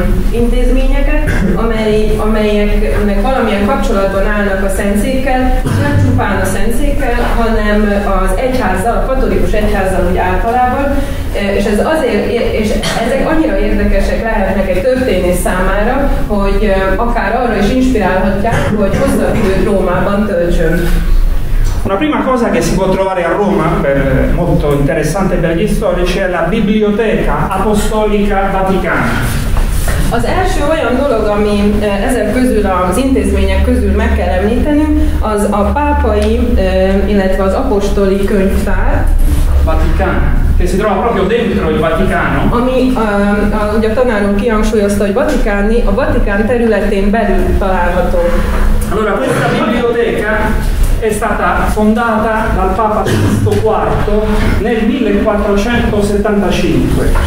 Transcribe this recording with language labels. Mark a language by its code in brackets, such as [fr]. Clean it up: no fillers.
[hu] intézményeket, amelyeknek valamilyen kapcsolatban állnak a szentszékkel, nem csupán a szentszékkel, hanem az egyházzal, a katolikus egyházzal úgy általában, és ez azért, és ezek annyira érdekesek lehetnek egy történés számára, hogy akár arra is inspirálhatják, hogy hosszabb időt Rómában töltsön. [it] La prima cosa che si può trovare a Roma, molto interessante per gli storici, è la Biblioteca Apostolica Vaticana. [hu] Az első olyan dolog, ami ezek közül az intézmények közül meg kell említenünk, az a pápai, illetve az apostoli könyvtár. Vatikán. [it] Que si trova proprio dentro il Vaticano. [hu] Ami ugye a tanárunk kihangsúlyozta, hogy Vatikáni, a Vatikán területén belül található. [it] Allora questa biblioteca è stata fondata dal Papa Sisto IV nel 1475.